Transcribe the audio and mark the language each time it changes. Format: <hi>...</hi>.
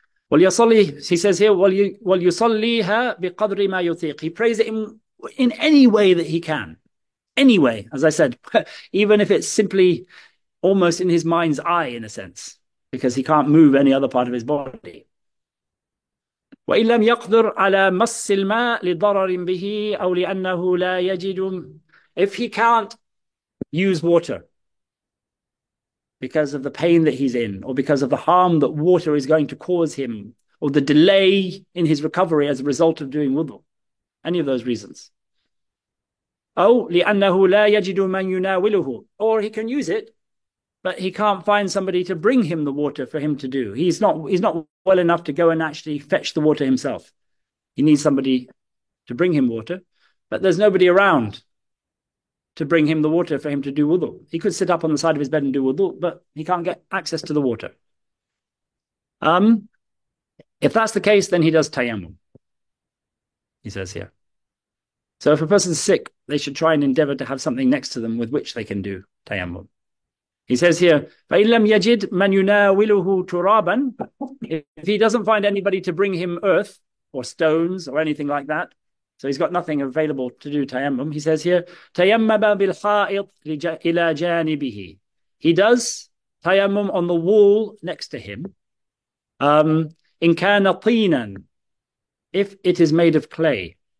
<en>Well, yasalli, he says here, well,</en> <ar>yusalliha biqadri ma yuthiq.</ar> <en>He prays it in any way that he can. Anyway, as I said, even if it's simply almost in his mind's eye, in a sense, because he can't move any other part of his body.</en> <ar>وإن لم يقدر على مس الماء لضرر به أو لأنه لا يجد.</ar> <en>If he can't use water because of the pain that he's in, or because of the harm that water is going to cause him, or the delay in his recovery as a result of doing wudu, any of those reasons.</en> <ar>أو لأنه لا يجد من يناوله.</ar> <en>Or he can use it, but he can't find somebody to bring him the water for him to do. He's not well enough to go and actually fetch the water himself. He needs somebody to bring him water, but there's nobody around to bring him the water for him to do wudu. He could sit up on the side of his bed and do wudu, but he can't get access to the water. If that's the case, then he does tayammum, he says here. So if a person's sick, they should try and endeavor to have something next to them with which they can do tayammum. He says here,</en> <ar>فَإِن لَمْ يَجِدْ مَنْ يُنَاوِلُهُ تُرَابًا.</ar> <en>If he doesn't find anybody to bring him earth or stones or anything like that, so he's got nothing available to do tayammum, he says here,</en> <ar>تَيَمَّمَ بِالْحَائِطِ إِلَى جَانِبِهِ.</ar> <en>He does tayammum on the wall next to him.</en> <ar>إِن كَانَ طِينًا.</ar> <en>If it is made of clay.</en>